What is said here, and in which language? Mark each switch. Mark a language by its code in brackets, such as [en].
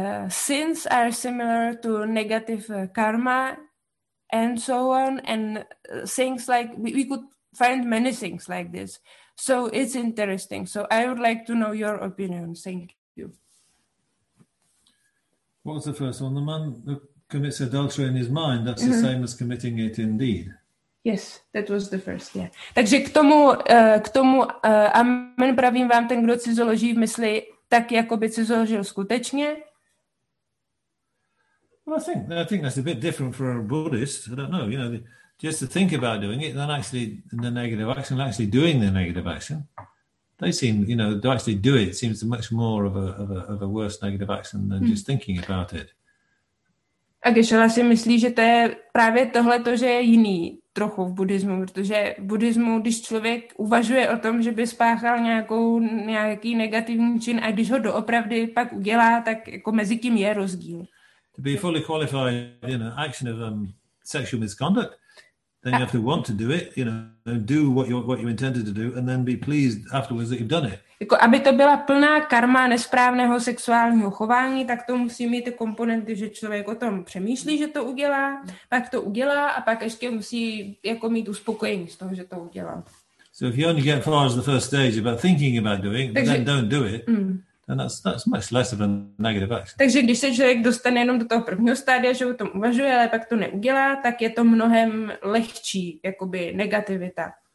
[en] Sins are similar to negative karma and so on, and things like we could find many things like this, so it's interesting. So I would like to know your opinion. Thank you. What was the first one? The man who commits adultery in his mind, that's the same as committing it indeed. Yes, that was the first, yeah. [cs] Takže k tomu amen pravím vám, ten, kdo cizoloží v mysli, tak jako by cizoložil skutečně. [en] Well, I think that's a bit different for a Buddhist. I don't know. You know, just to think about doing it, then actually the negative action, actually doing the negative action, they seem, you know, to actually do it seems much more of a worse negative action than just thinking about it. [cs] A Geshe-la si myslí, že to je právě tohle to, že je jiný trochu v buddhismu, protože v buddhismu, když člověk uvažuje o tom, že by spáchal nějaký negativní čin, a když ho doopravdy pak udělá, tak jako mezi tím je rozdíl. [en] To be fully qualified in an action of sexual misconduct, then you have to want to do it, you know, and do what you intended to do, and then be pleased afterwards that you've done it. [cs] Jako, aby to byla plná karma nesprávného sexuálního chování, tak to musí mít ty komponenty, že člověk o tom přemýšlí, že to udělá, pak to udělá a pak ještě musí jako mít uspokojení z toho, že to udělal. [en] So if you only get far as the first stage about thinking about doing, [cs] takže, [en] then don't do it. And that's much less of a negative action. [cs] Takže když se člověk dostane jenom do toho prvního stádia, že o tom uvažuje, ale pak to neudělá, tak je to mnohem lehčí, jakoby negativita.